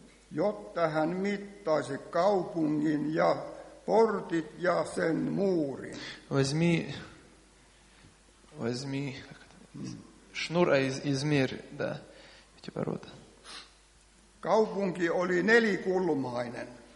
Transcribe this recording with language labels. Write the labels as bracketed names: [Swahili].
[Finnish] Jotta hän mittaisi kaupungin ja portit ja sen muurin. [Russian] Возьми шнур и измерь, да, эти ворота. [Finnish] Kaupunki oli nelikulmainen.